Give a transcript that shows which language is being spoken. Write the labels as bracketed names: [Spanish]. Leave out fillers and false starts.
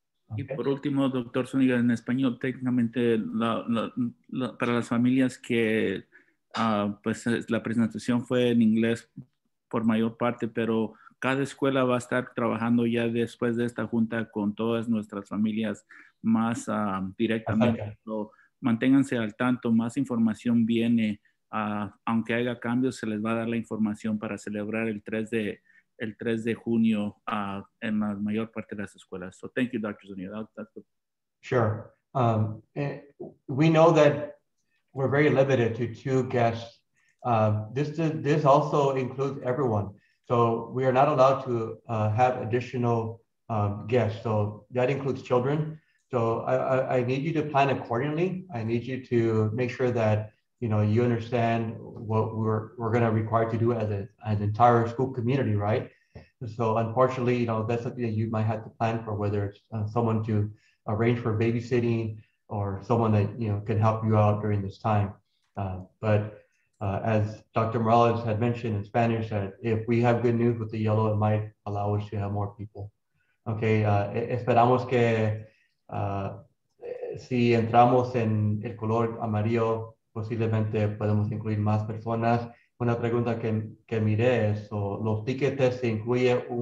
[Spanish] Okay. Y por último, doctor Zúñiga, en español, técnicamente la para las familias que pues la presentación fue en inglés por mayor parte, pero cada escuela va a estar trabajando ya después de esta junta con todas nuestras familias más directamente. So, manténganse al tanto, más información viene. Aunque haya cambios, se les va a dar la información para celebrar el 3 de junio en la mayor parte de las escuelas. [English] So thank you, Dr. Zunio. Sure. We know that we're very limited to 2 guests. This also includes everyone. So we are not allowed to have additional guests. So that includes children. So I need you to plan accordingly. I need you to make sure that you know, you understand what we're going to require to do as an entire school community, right? So unfortunately, you know, that's something that you might have to plan for, whether it's someone to arrange for babysitting or someone that, you know, can help you out during this time. But as Dr. Morales had mentioned in Spanish, that if we have good news with the yellow, it might allow us to have more people. [Spanish] Okay, esperamos que si entramos en el color amarillo, posiblemente podemos incluir más personas. Una pregunta que miré es, ¿los tickets se incluye